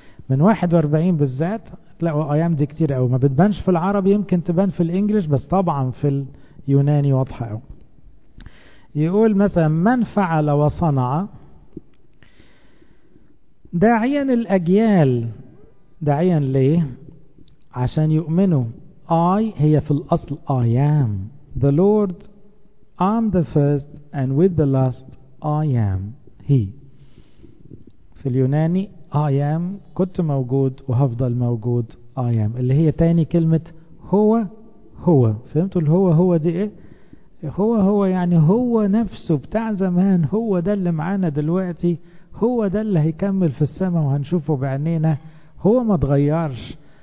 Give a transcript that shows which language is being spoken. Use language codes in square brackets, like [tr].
[ar] من 41 بالذات تلاقوا [en] I am [ar] دي كتير قوي، ما بتبانش في العربي، يمكن تبان في الانجليش، بس طبعا في اليوناني واضحة قوي. يقول مثلا من فعل وصنع داعيا الاجيال، داعيا ليه؟ عشان يؤمنوا. [en] I [ar] هي في الأصل [en] I am the Lord, I'm the first and with the last I am he. [ar] في اليوناني [en] I am [ar] كنت موجود وهفضل موجود I am، اللي هي تاني كلمة هو هو. فهمتوا الهو هو دي ايه؟ هو هو يعني هو نفسه بتاع زمان، هو ده اللي معانا دلوقتي، هو ده اللي هيكمل في السماء وهنشوفه بعينينا، هو ما تغيرش.